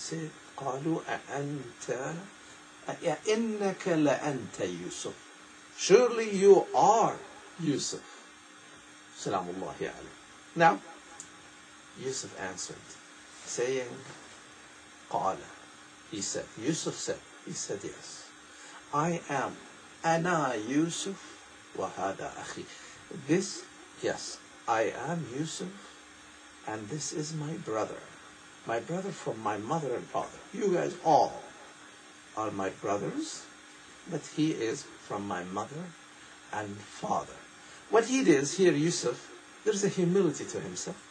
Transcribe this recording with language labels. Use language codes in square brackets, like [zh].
[en] Say, [ar] "Qalu a anta إِنَّكَ لَأَنْتَ يُوسُفْ. [en] Surely you are Yusuf. [ar] سلام الله عليه. [en] Now, Yusuf answered, saying, قال. He said, Yusuf said, he said, yes. I am [ar] أَنَا يُوسُفْ وَهَذَا أَخِي. [en] This, yes, I am Yusuf, and this is my brother. my brother from my mother and father. You guys all are my brothers, but he is from my mother and father. What he did here, Yusuf, there's a humility to himself.